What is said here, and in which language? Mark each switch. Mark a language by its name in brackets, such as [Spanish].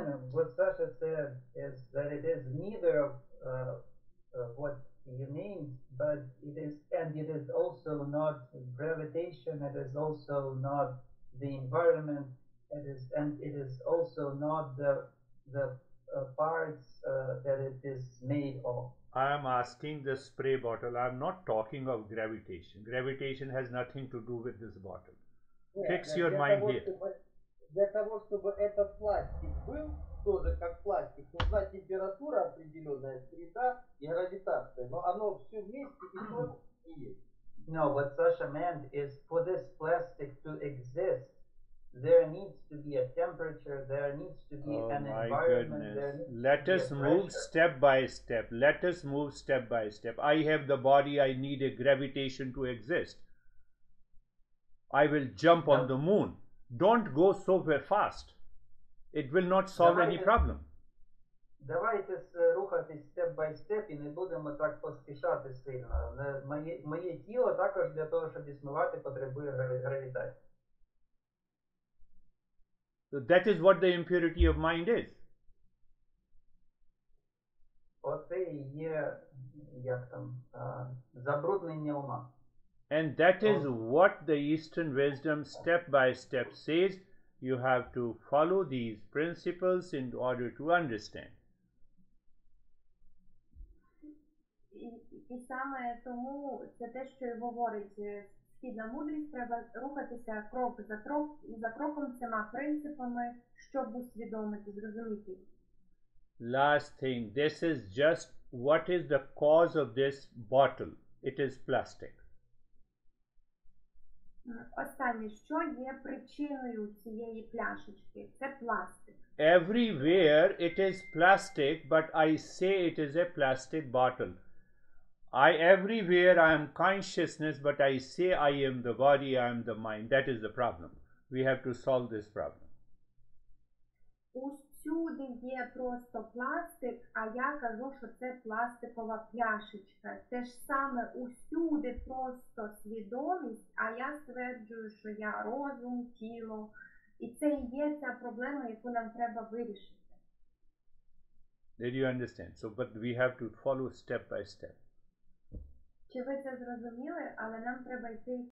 [English] What Sasha said is that it is neither of what you mean, but it is, and it is also not gravitation, it is also not the environment, it is, and it is also not the parts that it is made of. I am asking the spray bottle, I am not talking of gravitation. Gravitation has nothing to do with this bottle. Yeah, fix your mind here. [Russian] Для того, щоб этот пластик был, тоже как пластик, нужна температура определенная, среда и гравитация. Но оно все вместе и то, и есть. [English] No, what Sasha meant is for this plastic to exist, there needs to be a temperature, there needs to be oh an my environment. Goodness. Let us move step by step. Let us move step by step. I have the body, I need a gravitation to exist. I will jump on the moon. Don't go so fast. It will not solve any problem. [Ukrainian] Давайте рухатись [English] step by step [Ukrainian] і не будемо так поспішати сильно. Моє тіло також для того, щоб існувати, потребує гравітації. [English] So that is what the impurity of mind is. [Ukrainian] Оце і є, як там, забруднення ума. [English] And that is what the Eastern wisdom step by step says. You have to follow these principles in order to understand. [Ukrainian] І саме тому, це те, що говорить східна мудрість, треба рухатися крок за крок, за кроком цими принципами, щоб усвідомити, зрозуміти. [English] Last thing, this is just what is the cause of this bottle? It is plastic. [Ukrainian] Останнє, що є причиною цієї пляшечки? Це пластик. [English] Everywhere it is plastic, but I say it is a plastic bottle. Everywhere I am consciousness, but I say I am the body, I am the mind. That is the problem. We have to solve this problem. [Ukrainian] Усюди є просто пластик, а я кажу, що це пластикова пляшечка. Те ж саме, усюди просто свідомість, а я стверджую, що я розум, тіло. І це і є ця проблема, яку нам треба вирішити. [English] Did you understand? So, but we have to follow step by step. [Ukrainian] Чи ви це зрозуміли, але нам треба йти...